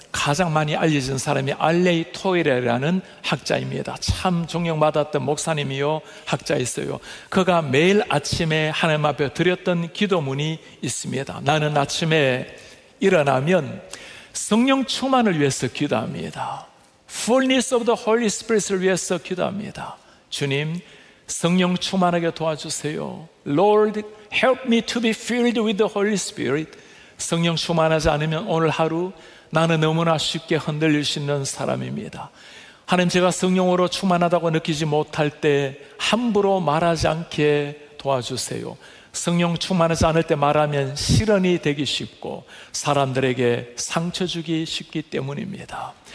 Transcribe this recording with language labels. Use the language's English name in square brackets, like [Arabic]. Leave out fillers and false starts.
[Korean] 가장 많이 알려진 사람이 알레이 토이레라는 학자입니다. 참 존경받았던 목사님이요, 학자였어요. 그가 매일 아침에 하나님 앞에 드렸던 기도문이 있습니다. 나는 아침에 일어나면 성령 충만을 위해서 기도합니다. [English] Fullness of the Holy Spirit을 [Korean] 위해서 기도합니다. 주님, 성령 충만하게 도와주세요. [English] Lord, help me to be filled with the Holy Spirit. [Korean] 성령 충만하지 않으면 오늘 하루 나는 너무나 쉽게 흔들릴 수 있는 사람입니다. 하나님, 제가 성령으로 충만하다고 느끼지 못할 때 함부로 말하지 않게 도와주세요. 성령 충만하지 않을 때 말하면 실언이 되기 쉽고 사람들에게 상처 주기 쉽기 때문입니다.